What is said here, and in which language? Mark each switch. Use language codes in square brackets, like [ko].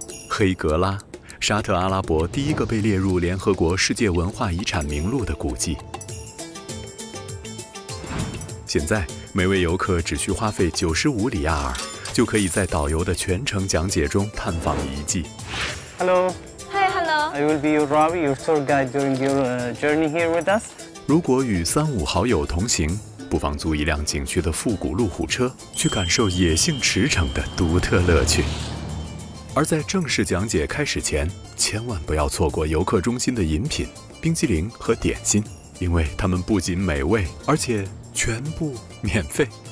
[zh] 黑格拉，沙特阿拉伯第一个被列入联合国世界文化遗产名录的古迹。现在，每位游客只需花费95里亚尔，就可以在导游的全程讲解中探访遗迹。 [en] Hello。 Hi, hello. I will be your Ravi, your tour guide during your journey here with us. [zh] 如果与3-5好友同行。不妨租一辆景区的复古路虎车，去感受野性驰骋的独特乐趣。而在正式讲解开始前，千万不要错过游客中心的饮品、冰激凌和点心，因为它们不仅美味，而且全部免费。